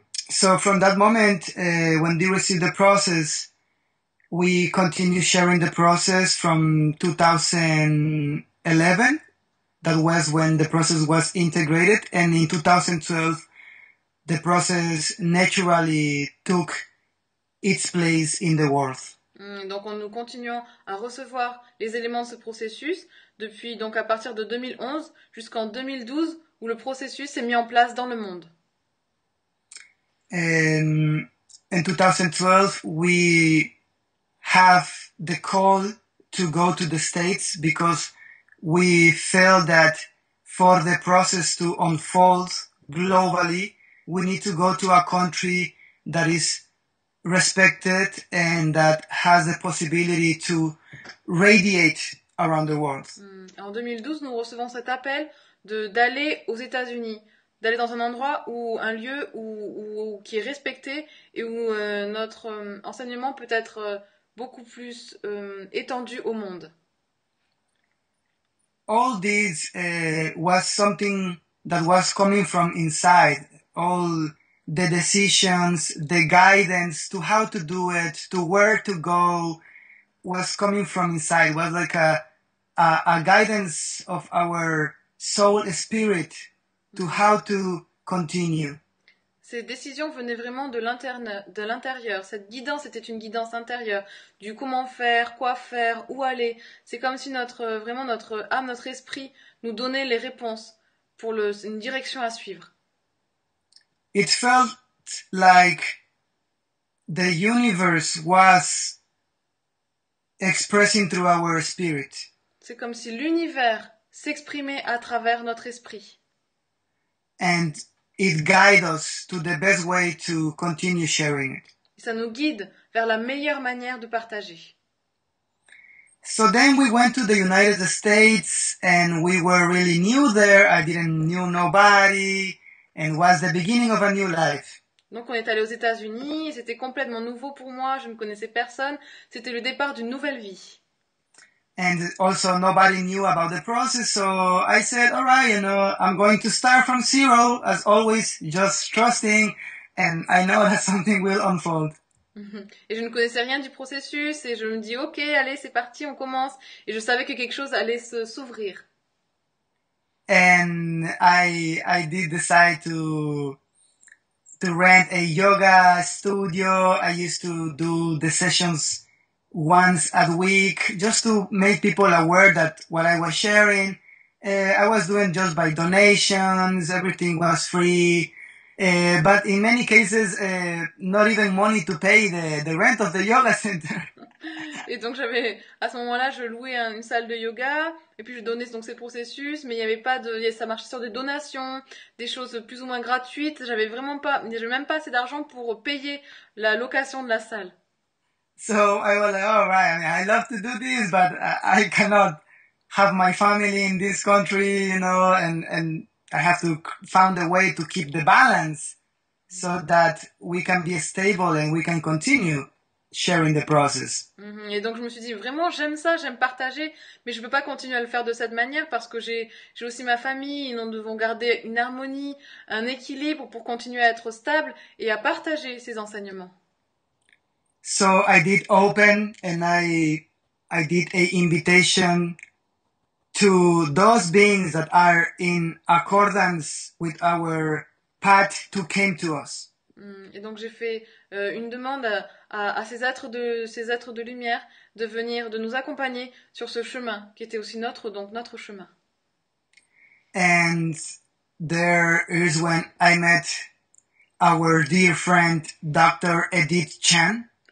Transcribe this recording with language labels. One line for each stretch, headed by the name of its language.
English: So from that moment, when they received the process, we continue sharing the process from 2011. That was when the process was integrated, and in 2012, the process naturally took its place in the world.
French: Donc, nous continuons à recevoir les éléments de ce processus depuis donc à partir de 2011 jusqu'en 2012 où le processus s'est mis en place dans le monde.
English: In 2012, we have the call to go to the States because we felt that for the process to unfold, globally, we need to go to a country that is respected and that has the possibility to radiate around the world.
French: En 2012, nous recevons cet appel d'aller aux États-Unis, d'aller dans un endroit ou un lieu où qui est respecté et où notre enseignement peut être beaucoup plus étendu au monde.
English: All this was something that was coming from inside. All the decisions, the guidance to how to do it, to where to go, was coming from inside. It was like a guidance of our soul, spirit, to how to continue.
French: Ces décisions venaient vraiment de l'intérieur. Cette guidance était une guidance intérieure du comment faire, quoi faire, où aller. C'est comme si vraiment notre âme, notre esprit nous donnait les réponses pour une direction à suivre.
English: It felt like the universe was expressing through our spirit.
French: C'est comme si l'univers s'exprimait à travers notre esprit.
English: And it guide us to the best way to continue sharing it.
French: Ça nous guide vers la meilleure manière de partager.
English: So then we went to the United States and we were really new there. I didn't knew nobody. And was the beginning of a new life.
French: Donc on est allé aux États-Unis, c'était complètement nouveau pour moi, je ne connaissais personne, c'était le départ d'une nouvelle vie.
English: And also nobody knew about the process, so I said, all right, I'm going to start from zero, as always, just trusting, and I know that something will unfold.
French: Et je ne connaissais rien du processus et je me dis ok, allez, c'est parti, on commence. Et je savais que quelque chose allait s'ouvrir.
English: And I did decide to rent a yoga studio. I used to do the sessions once a week just to make people aware that what I was sharing, I was doing just by donations. Everything was free. But in many cases, not even money to pay the rent of the yoga center.
French: Et donc j'avais à ce moment-là, je louais une salle de yoga et puis je donnais donc ces processus, mais il n'y avait pas de, ça marchait sur des donations, des choses plus ou moins gratuites. J'avais même pas assez d'argent pour payer la location de la salle.
English: So I was like, all right, I love to do this, but I cannot have my family in this country, and I have to find a way to keep the balance so that we can be stable and we can continue sharing the process.
French: Et donc je me suis dit vraiment j'aime ça, j'aime partager, mais je ne peux pas continuer à le faire de cette manière parce que j'ai aussi ma famille et nous devons garder une harmonie, un équilibre pour continuer à être stable et à partager ces enseignements.
English: So I did open and I did a invitation to those beings that are in accordance with our path to came to us.
French: Et donc j'ai fait une demande à ces êtres de lumière de venir, de nous accompagner sur ce chemin qui était aussi notre, donc notre chemin.
English: And there is when I met our dear friend, Dr. Edith Chan.